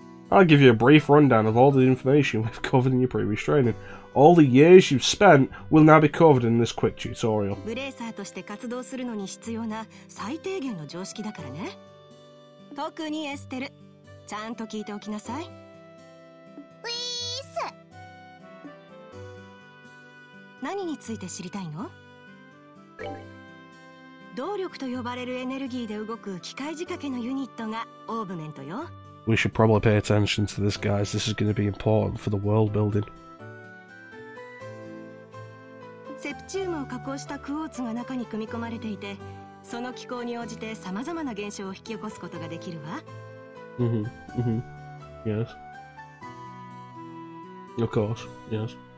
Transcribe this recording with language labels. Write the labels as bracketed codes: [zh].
[en] I'll give you a brief rundown of all the information we've covered in your previous training. All the years you've spent will now be covered in this quick tutorial. [ja] ブレーサーとして活動するのに必要な最低限の常識だからね。特にエステル、ちゃんと聞いておきなさい。ウィーッス。何について知りたいの？動力と呼ばれるエネルギーで動く機械仕掛けのユニットがオーブメントよ。 [en] We should probably pay attention to this, guys. This is going to be important for the world building. [ja] Septium を加工したクォーツが中に組み込まれていて、その気候に応じて様々な現象を引き起こすことができるわ。 [en] Yes. Of course. Yes.